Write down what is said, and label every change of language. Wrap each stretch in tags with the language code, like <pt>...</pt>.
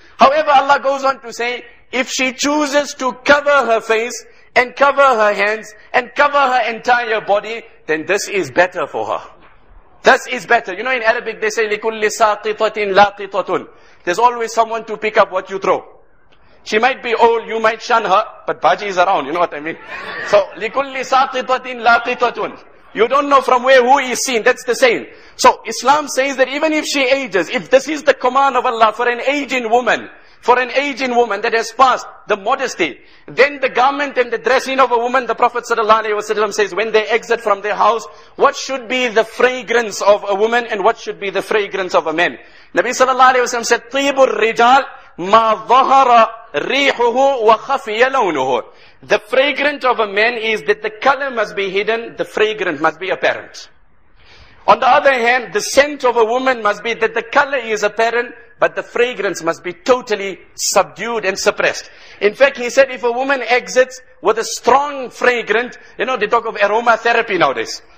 <en>However, Allah goes on to say, if she chooses to cover her face and cover her hands and cover her entire body, then this is better for her. This is better. You know, in Arabic they say,</en> <ar>لِكُلِّ سَاقِطَةٍ لَاقِطَةٌ.</ar> <en>There's always someone to pick up what you throw. She might be old, you might shun her, but Baji is around, you know what I mean?</en> <ar>So, لِكُلِّ سَاقِطَةٍ لَاقِطَةٌ.</ar> <en>You don't know from where who is seen, that's the same. So, Islam says that even if she ages, if this is the command of Allah for an aging woman, for an aging woman that has passed the modesty, then the garment and the dressing of a woman, the Prophet ﷺ says, when they exit from their house, what should be the fragrance of a woman and what should be the fragrance of a man?</en> <ar>Nabi ﷺ said, طِيبُ الرِّجَالِ مَا ظَهَرَ رِيحُهُ وَخَفِيَ لَوْنُهُ.</ar> <en>The fragrance of a man is that the color must be hidden, the fragrance must be apparent. On the other hand, the scent of a woman must be that the color is apparent, but the fragrance must be totally subdued and suppressed. In fact, he said if a woman exits with a strong fragrance, you know, they talk of aromatherapy nowadays.</en>